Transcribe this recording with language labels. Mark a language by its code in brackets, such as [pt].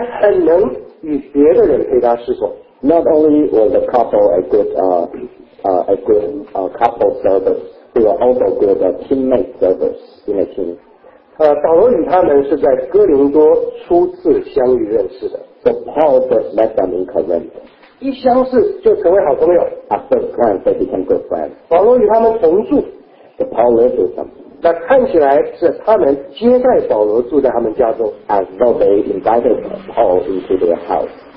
[zh] 但亚希拉和百希拉不只是很能在夫妻的小团队当中同心侍奉，他们也很能与别的人配搭侍奉。 [en] Not only was the couple a good couple service, they were also good teammate service in a team. [zh] 保罗与他们是在哥林多初次相遇认识的。 [en] So Paul first met them in Corinth. [zh] 一相识就成为好朋友。 [en] At first glance, they became good friends. [zh] 保罗与他们同住。 [en] The Paul lives with them. [zh] 那看起来是他们接待保罗住在他们家中。 [en] As though they invited Paul into their house.